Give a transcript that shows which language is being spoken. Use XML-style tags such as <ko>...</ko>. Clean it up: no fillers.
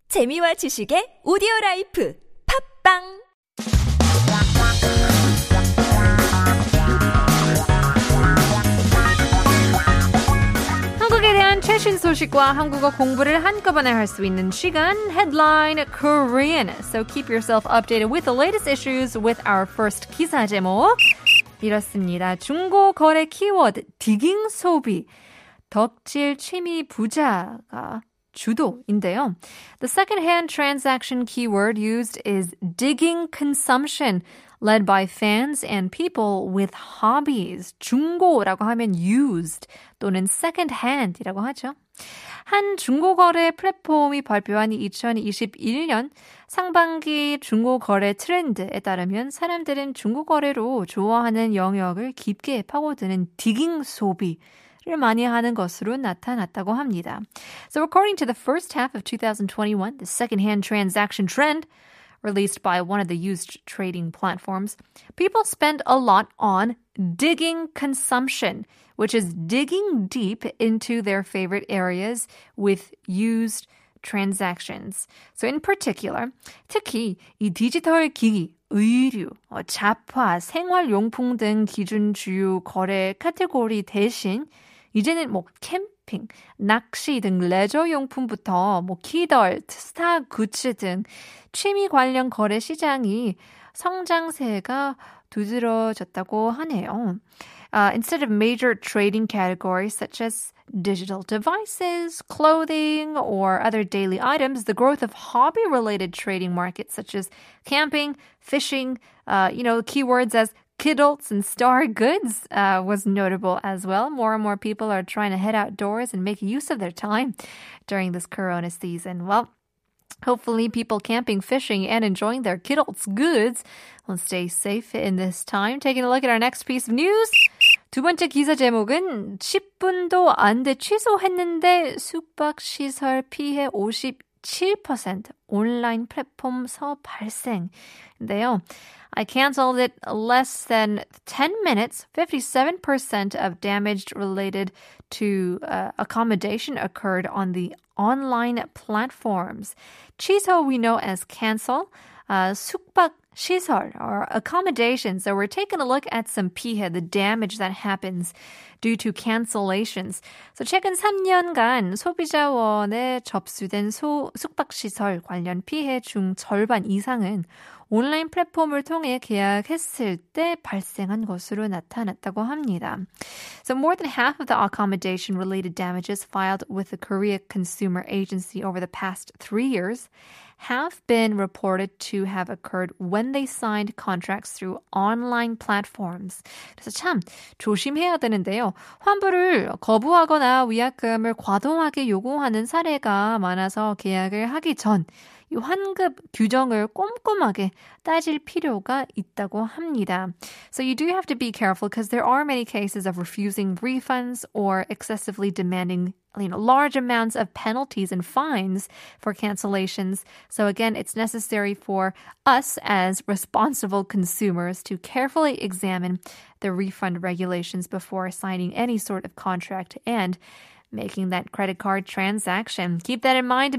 <ko>재미와 지식의 오디오 라이프. 팟빵! 최신 소식과 한국어 공부를 한꺼번에 할 수 있는 시간 Headline Korean.</ko> <en>So keep yourself updated with the latest issues with our first</en> <ko>기사 제목 이렇습니다. 중고 거래 키워드 디깅 소비 덕질 취미 부자가 주도인데요.</ko> <en>The second-hand transaction keyword used is digging consumption led by fans and people with hobbies.</en> <ko>중고라고 하면 used 또는 second-hand이라고 하죠. 한 중고거래 플랫폼이 발표한 2021년 상반기 중고거래 트렌드에 따르면 사람들은 중고거래로 좋아하는 영역을 깊게 파고드는 digging 소비 를 많이 하는 것으로 나타났다고 합니다.</ko> <en>So according to the first half of 2021, the second-hand transaction trend released by one of the used trading platforms, people spent a lot on digging consumption, which is digging deep into their favorite areas with used transactions. So in particular,</en> <ko>특히 이 디지털 기기, 의류, 자파, 생활용품 등 기준 주요 거래 카테고리 대신 이제는 뭐 캠핑, 낚시 등 레저 용품부터 뭐 키덜트, 스타 굿즈 등 취미 관련 거래 시장이 성장세가 두드러졌다고 하네요.</ko> <en>Instead of major trading categories such as digital devices, clothing, or other daily items, the growth of hobby-related trading markets such as camping, fishing, you know, keywords as kidults and star goods was notable as well. More and more people are trying to head outdoors and make use of their time during this corona season. Well, hopefully people camping, fishing, and enjoying their kidults goods will stay safe in this time. Taking a look at our next piece of news.</en> <ko>두 번째 기사 제목은 10분도 안 돼 취소했는데 숙박시설 피해 57% 온라인 플랫폼에서 발생인데요.</ko> <en>I canceled it less than 10 minutes. 57% of damage related to accommodation occurred on the online platforms. 취소 we know as cancel. 숙박시설 or accommodation. So we're taking a look at some 피해, the damage that happens due to cancellations.</en> <ko>So 최근 3년간 소비자원에 접수된 숙박시설 관련 피해 중 절반 이상은 온라인 플랫폼을 통해 계약했을 때 발생한 것으로 나타났다고 합니다.</ko> <en>So more than half of the accommodation-related damages filed with the Korea Consumer Agency over the past 3 years have been reported to have occurred when they signed contracts through online platforms.</en> <ko>그래서 참 조심해야 되는데요. 환불을 거부하거나 위약금을 과도하게 요구하는 사례가 많아서 계약을 하기 전 이 환급 규정을 꼼꼼하게 따질 필요가 있다고 합니다.</ko> <en>So you do have to be careful because there are many cases of refusing refunds or excessively demanding, you know, large amounts of penalties and fines for cancellations. So again, it's necessary for us as responsible consumers to carefully examine the refund regulations before signing any sort of contract and making that credit card transaction. Keep that in mind.</en>